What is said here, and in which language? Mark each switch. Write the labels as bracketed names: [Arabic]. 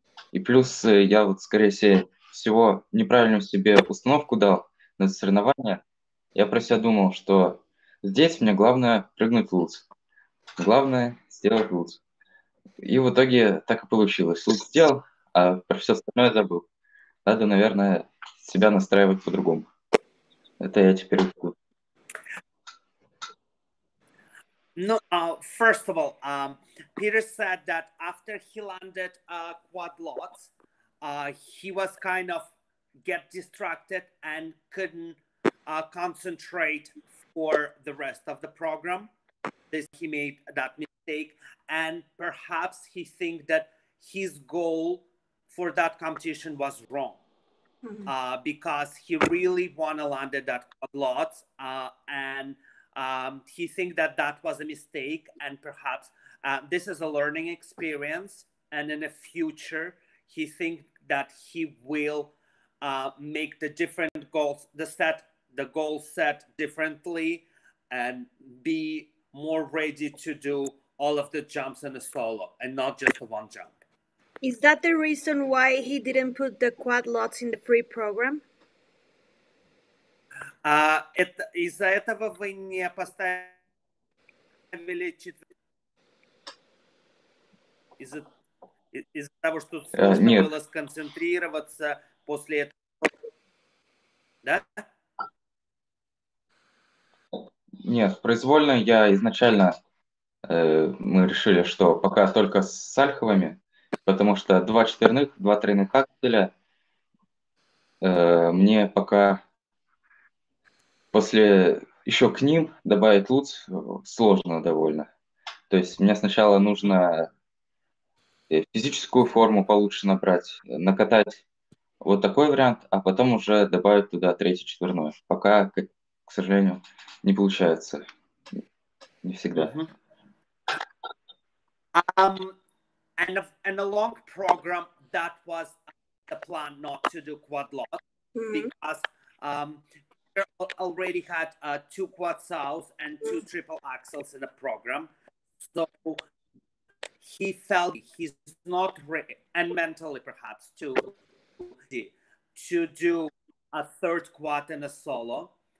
[Russian] И плюс я вот, скорее всего, неправильную себе установку дал на соревнования, я про себя думал, что здесь мне главное прыгнуть лутс. Главное сделать лут. И в итоге так и получилось. Лут сделал, а про все остальное забыл. Надо, наверное, себя настраивать по-другому. Это я теперь учу. [English] Ну, first of all, Peter said that after he landed quad lots, he was kind of get distracted and couldn't concentrate for the rest of the program. He made that mistake, and perhaps he think that his goal for that competition was wrong, because he really want to land that lot, and he think that that was a mistake, and perhaps this is a learning experience, and in the future he think that he will make the different goals, the goal set differently, and be more ready to do all of the jumps in a solo and not just the one jump. Is that the reason why he didn't put the quad lots in the pre-program? [Russian] Из-за этого вы не поставили четвертый? Из-за того, что сложно было сконцентрироваться после этого? Да? Нет, произвольно я изначально, мы решили, что пока только с сальховыми, потому что два четверных, два тройных акселя мне пока после еще к ним добавить лутс сложно довольно. То есть мне сначала нужно физическую форму получше набрать, накатать вот такой вариант, а потом уже добавить туда третий четверной. Пока, к сожалению, не получается. Не всегда. [English] And a long program, that was the plan not to do quad lots, because already had two quad sals and two triple axels in the program. So he felt he's not ready, and mentally perhaps to do a third quad in a solo.